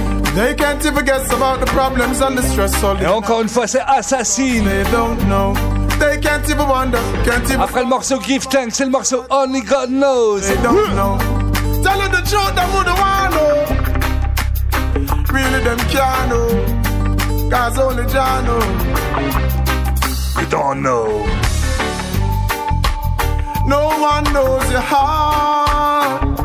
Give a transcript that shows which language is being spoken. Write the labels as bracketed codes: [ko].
[en] they can't even guess about the problems and the stress. All [fr] et encore une fois, c'est Assassin. [en] They don't know. They can't even wonder. Can't even. [fr] Après le morceau Give Thanks, c'est le morceau Only God Knows. [en] They don't know. Tell them the truth, them who don't want to know. Really, them can't know. Cause only John knows. You don't know. No one knows your heart.